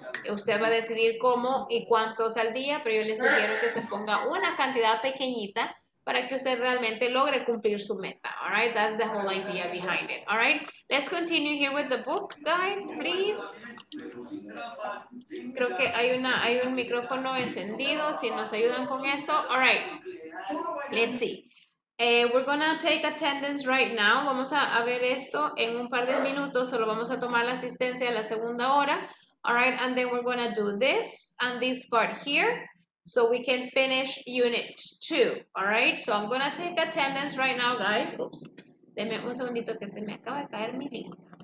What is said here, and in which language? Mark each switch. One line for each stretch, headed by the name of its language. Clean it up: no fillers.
Spanish: Usted va a decidir cómo y cuántos al día, pero yo le sugiero que se ponga una cantidad pequeñita para que usted realmente logre cumplir su meta,
English: all right? That's the whole idea behind it, all right? Let's continue here with the book, guys, please.
Spanish: Creo que hay un micrófono encendido, si nos ayudan con eso.
English: All right, let's see. We're gonna take attendance right now.
Spanish: Vamos a ver esto en un par de minutos, solo vamos a tomar la asistencia a la segunda hora.
English: All right, and then we're gonna do this and this part here. So we can finish unit 2, all right? So I'm gonna take attendance right now, guys.
Spanish: Oops, denme un segundito que se me acaba de caer mi lista.